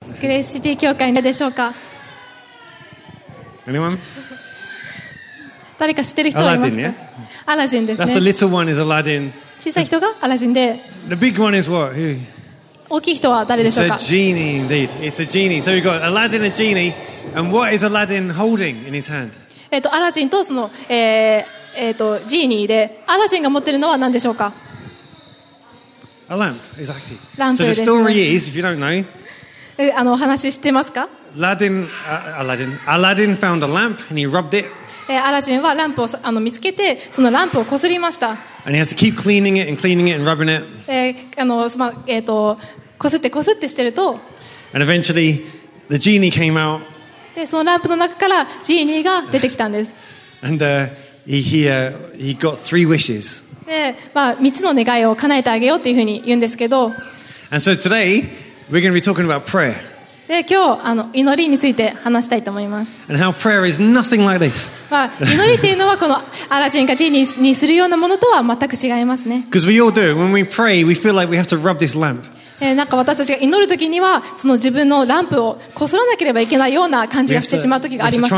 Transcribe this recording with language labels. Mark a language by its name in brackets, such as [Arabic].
[Japanese] グレイシティ教会でしょうか。 [English] Anyone? [Japanese] 誰か知ってる人いますか。 [English] Aladdin, yeah? [Japanese] アラジンですね。 [English] That's the little one is Aladdin. [Japanese] 小さい人がアラジンで。 [English] The big one is what? [Japanese] 大きい人は誰でしょうか。 [English] It's a genie indeed. It's a genie. So we've got Aladdin and genie. And what is Aladdin holding in his hand? [Japanese] アラジンとその、ジーニーで、アラジンが持ってるのは何でしょうか。 [English] A lamp, exactly. [Japanese] ランプですね。 [English] So the story is, if you don't know, [Japanese] あの話知ってますか。 [English] Aladdin found a lamp and he rubbed it. [Japanese] アラジンはランプをあの見つけてそのランプをこすりました。 [English] And he has to keep cleaning it and cleaning it and rubbing it. [Japanese] あのま、こすってこすってしてると。 [English] And eventually the genie came out. [Japanese] でそのランプの中からジーニーが出てきたんです。 [English] And he got three wishes. [Japanese] で、まあ、3つの願いを叶えてあげようっていうふうに言うんですけど。 [English] And so today we're going to be talking about prayer. [Japanese] で今日あの祈りについて話したいと思います。 [English] And how prayer is nothing like this. [Japanese] まあ、祈りというのはこのアラジンかジーニーにするようなものとは全く違いますね。 [English] Because we all do. When we pray, we feel like we have to rub this lamp. [Japanese] なんか私たちが祈るときにはその自分のランプをこすらなければいけないような感じがしてしまうときがありますね。